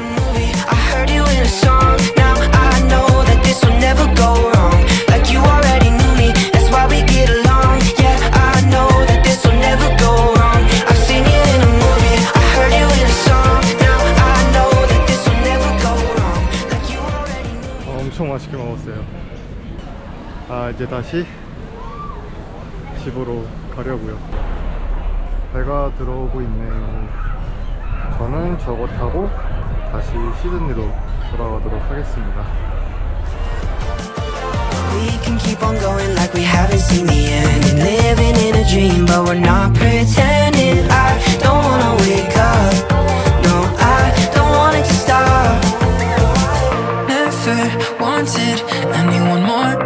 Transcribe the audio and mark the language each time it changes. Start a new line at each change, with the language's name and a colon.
English: movie, I heard you in a song. Now I know that this will never go wrong. Like you already knew me, that's why we get along. Yeah, I know that this will never go wrong. I've seen you in a movie, I heard you in a song. Now I know that this will never go wrong. Like you already knew me.
Korean: 엄청 맛있게 먹었어요. 아, 이제 다시 집으로 가려고요. 배가 들어오고 있네요. 저는 저거 타고 다시 시드니로 돌아가도록 하겠습니다.
English: We can keep on going like we haven't seen the end. Living in a dream but we're not pretending. I don't wanna wake up. No, I don't want it to stop. Never wanted anyone more.